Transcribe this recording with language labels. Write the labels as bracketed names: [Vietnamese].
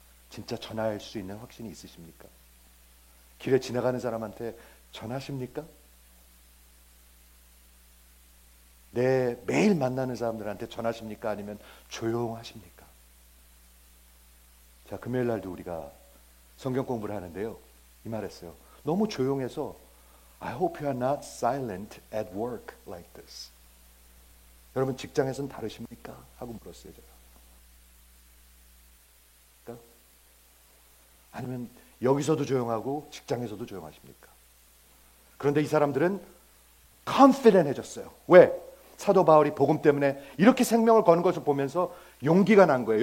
[Korean] 진짜 전할 수 있는 확신이 있으십니까? 길에 지나가는 사람한테 전하십니까? 내 매일 만나는 사람들한테 전하십니까? 아니면 조용하십니까? 자, 금요일 날도 우리가 성경 공부를 하는데요. 이 말했어요. 너무 조용해서 [English] I hope you are not silent at work like this. [Korean] 여러분 직장에서는 다르십니까? 하고 물었어요. 제가. 그러니까? 아니면 여기서도 조용하고 직장에서도 조용하십니까? 그런데 이 사람들은 confident해졌어요. 왜? 사도 바울이 복음 때문에 이렇게 생명을 거는 것을 보면서 용기가 난 거예요.